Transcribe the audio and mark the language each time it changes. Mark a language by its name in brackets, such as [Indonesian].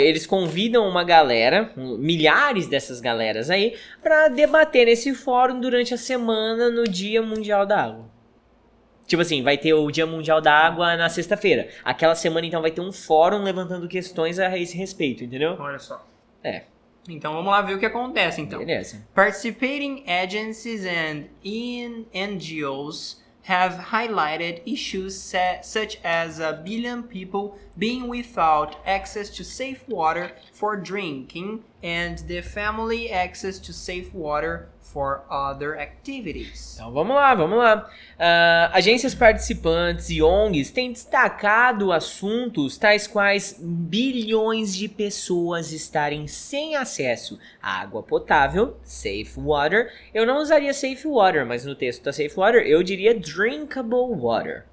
[Portuguese] Eles convidam uma galera, milhares dessas galeras aí, para debater nesse fórum durante a semana no Dia Mundial da Água. Tipo assim, vai ter o Dia Mundial da Água na sexta-feira. Aquela semana, então, vai ter um fórum levantando questões a esse respeito, entendeu? Olha só. É. Então, vamos lá ver o que acontece, então. Beleza. [English] Participating agencies and NGOs have highlighted issues such as a billion people being without access to safe water for drinking and the family access to safe water for other activities. [Portuguese] Então vamos lá, vamos lá. Agências participantes e ONGs têm destacado assuntos tais quais bilhões de pessoas estarem sem acesso à água potável, safe water. Eu não usaria safe water, mas no texto da safe water eu diria drinkable water.